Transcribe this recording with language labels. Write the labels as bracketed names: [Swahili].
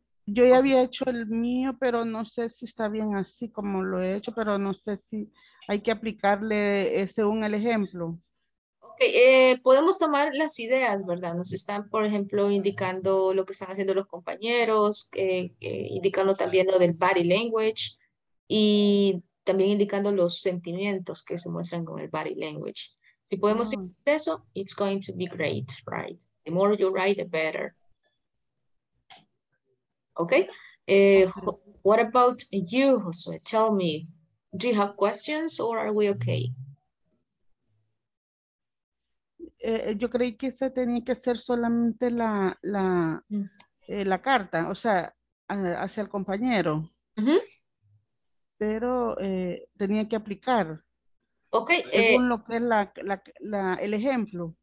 [Spanish] Yo ya había hecho el mío, pero no sé si está bien así como lo he hecho, pero no sé si hay que aplicarle según el ejemplo. Ok, podemos tomar las ideas, ¿verdad? Nos están, por ejemplo, indicando lo que están haciendo los compañeros, indicando también lo del body language y también indicando los sentimientos que se muestran con el body language. Si podemos hacer eso, [English] it's going to be great, right? The more you write, the better. Okay, what about you, Josue? Tell me, do you have questions or are we okay? [Spanish] yo creí que se tenía que hacer solamente la carta, o sea, hacia el compañero. Pero tenía que aplicar. Okay, según lo que es el ejemplo.